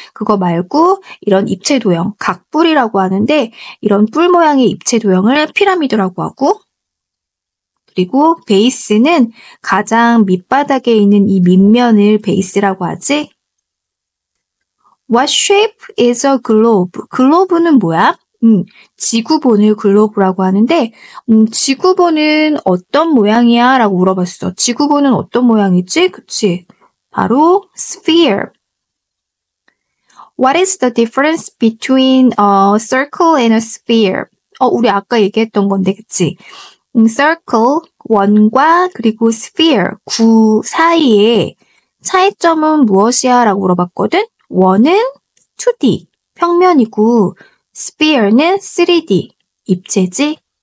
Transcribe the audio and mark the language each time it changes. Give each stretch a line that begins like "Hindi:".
Korean: 그거 말고 이런 입체 도형, 각뿔이라고 하는데 이런 뿔 모양의 입체 도형을 피라미드라고 하고 그리고 베이스는 가장 밑바닥에 있는 이 밑면을 베이스라고 하지.
English: What shape is a globe?
Korean: 글로브는 뭐야? 지구본을 글로브라고 하는데 지구본은 어떤 모양이야? 라고 물어봤어. 지구본은 어떤 모양이지? 그치? 바로 sphere.
English: What is the difference between a circle and a sphere?
Korean: 우리 아까 얘기했던 건데 그치? circle, 원과 그리고 sphere, 구 사이에 차이점은 무엇이야? 라고 물어봤거든. 원은 2D, 평면이고 sphere는 3D, 입체지.